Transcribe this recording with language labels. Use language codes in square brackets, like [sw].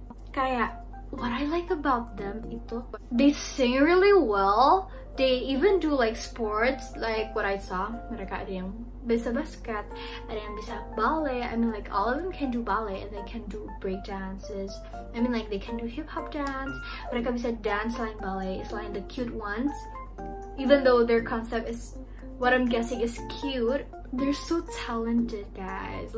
[en] Kayak, what I like about them itu, they sing really well. They even do like sports, like what I saw. [id] Mereka ada yang bisa basket, ada yang bisa ballet. [en] I mean like all of them can do ballet and they can do break dances. I mean like they can do hip hop dance. [id] Mereka bisa [en] dance like ballet, it's like the cute ones. Even though their concept is what I'm guessing is cute, they're so talented, guys.